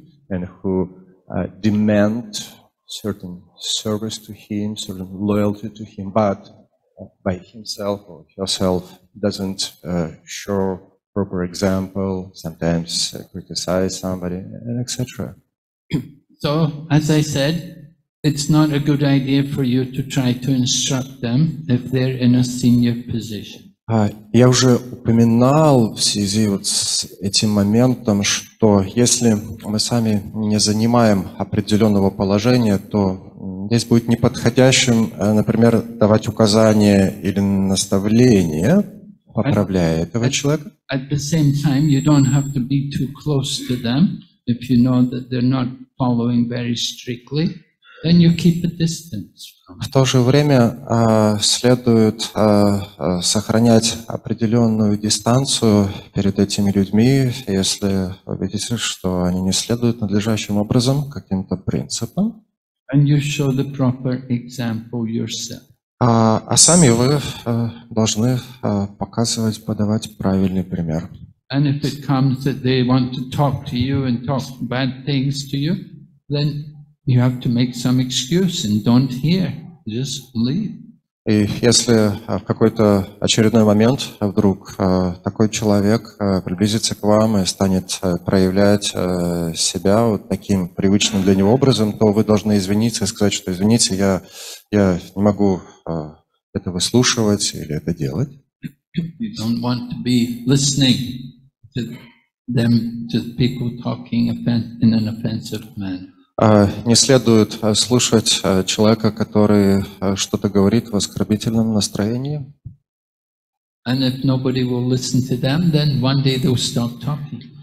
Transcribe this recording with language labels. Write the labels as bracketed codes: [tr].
[en] and who demand certain service to him, certain loyalty to him, but by himself or herself doesn't show proper example, sometimes criticize somebody, and etc. So, as I said, it's not a good idea for you to try to instruct them if they're in a senior position. [ru] Я уже упоминал в связи вот с этим моментом, что если мы сами не занимаем определенного положения, то здесь будет неподходящим, например, давать указания или наставления, поправляя этого человека. [en] At the same time, you don't have to be too close to them. If you know that they're not following very strictly, then you keep a distance. [ru] В то же время следует сохранять определенную дистанцию перед этими людьми, если вы видите, что они не следуют надлежащим образом каким-то принципам. [en] And you show the proper example yourself. [ru] А сами вы должны показывать, подавать правильный пример. [en] And if it comes that they want to talk to you and talk bad things to you, then you have to make some excuse and don't hear. Just leave. [ru] И если в какой-то очередной момент вдруг такой человек приблизится к вам и станет проявлять себя вот таким привычным для него образом, то вы должны извиниться и сказать, что извините, я не могу это выслушивать или это делать. [en] You don't want to be listening to them, to people talking in an offensive manner. [ru] Не следует слушать человека, который что-то говорит в оскорбительном настроении. [en] And if nobody will listen to them, then one day they'll stop talking.